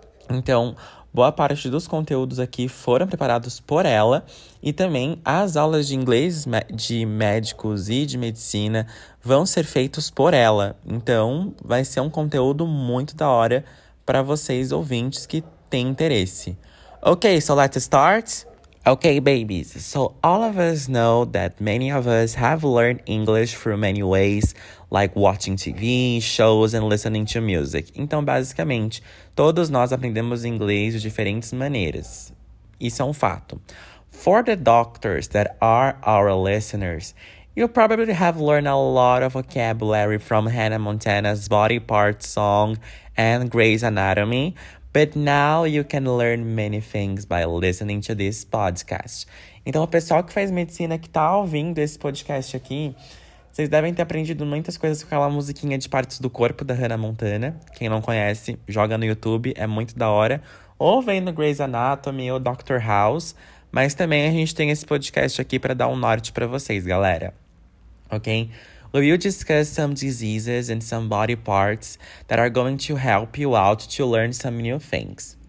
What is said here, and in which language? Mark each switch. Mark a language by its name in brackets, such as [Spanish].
[Portuguese] Então, boa parte dos conteúdos aqui foram preparados por ela e também as aulas de inglês de médicos e de medicina vão ser feitos por ela. Então, vai ser um conteúdo muito da hora para vocês ouvintes que têm interesse. [English] Okay, so let's start. Okay, babies. So, all of us know that many of us have learned English through many ways, like watching TV, shows, and listening to music. [Portuguese] Então, basicamente, todos nós aprendemos inglês de diferentes maneiras. Isso é um fato. [English] For the doctors that are our listeners, you probably have learned a lot of vocabulary from Hannah Montana's Body Parts song and Grey's Anatomy, but now you can learn many things by listening to this podcast. [Portuguese] Então, o pessoal que faz medicina que tá ouvindo esse podcast aqui, vocês devem ter aprendido muitas coisas com aquela musiquinha de partes do corpo da Hannah Montana. Quem não conhece, joga no YouTube, é muito da hora. Ou vem no Grey's Anatomy ou Dr. House. Mas também a gente tem esse podcast aqui para dar um norte para vocês, galera. Ok? [English] We will discuss some diseases and some body parts that are going to help you out to learn some new things.